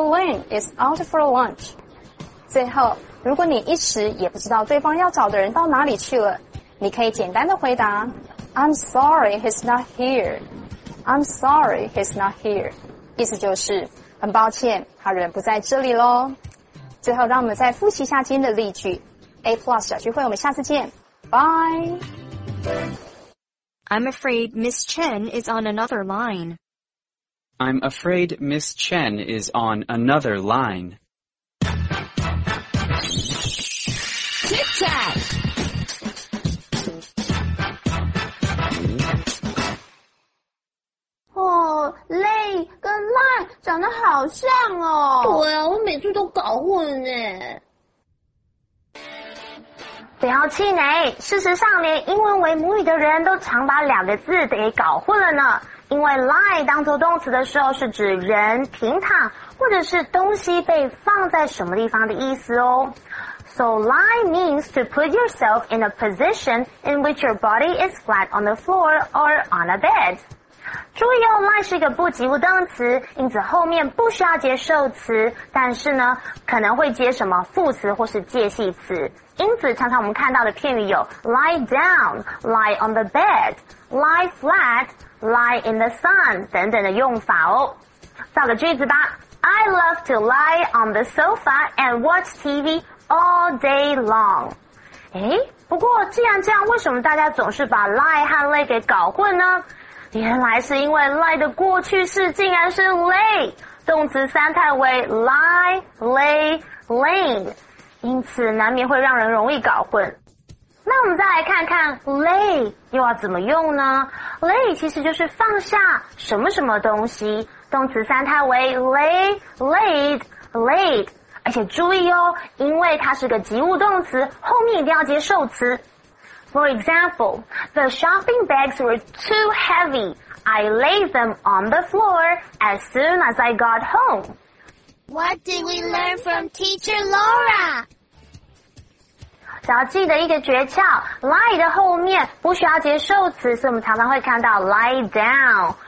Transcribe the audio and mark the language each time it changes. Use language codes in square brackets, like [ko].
[en] Lin is out for lunch. [zh] 最后，如果你一时也不知道对方要找的人到哪里去了，你可以简单的回答 [en] I'm sorry he's not here. I'm sorry he's not here. [zh] 意思就是，很抱歉，他人不在这里咯。最后，让我们再复习一下今天的例句。 A Plus 小聚会，我们下次见。Bye! [en] I'm afraid Miss Chen is on another line. I'm afraid Miss Chen is on another line. Tic Tac! [zh] Oh, Lay 跟 Line 长得好像哦。对啊，我每次都搞混耶。不要气馁，事实上连英文为母语的人都常把两个字给搞混了呢。因为 lie 当作动词的时候是指人、平躺或者是东西被放在什么地方的意思哦。 [en] So lie means to put yourself in a position in which your body is flat on the floor or on a bed. [zh] 注意哦， lie 是一个不及物动词，因此后面不需要接受词，但是呢可能会接什么副词或是介系词。因此常常我们看到的片语有 [en] lie down, lie on the bed, lie flat, lie in the sun [zh] 等等的用法哦。造个句子吧， [en] I love to lie on the sofa and watch TV all day long。 [zh] 诶，不过既然这样，为什么大家总是把 lie 和 lay 给搞混呢？原来是因为 lie 的过去式竟然是 lay， 动词三态为 [en] lie, lay, lain， [zh] 因此难免会让人容易搞混。那我们再来看看 lay 又要怎么用呢？ lay 其实就是放下什么什么东西，动词三态为 [en] lay, laid, laid。 [zh] 而且注意哦，因为它是个及物动词，后面一定要接受词。 [en] For example, the shopping bags were too heavy. I laid them on the floor as soon as I got home. What did we learn from Teacher Laura? [zh] 只要记得一个诀窍， lie 的后面不需要接受词，所以我们常常会看到 lie down。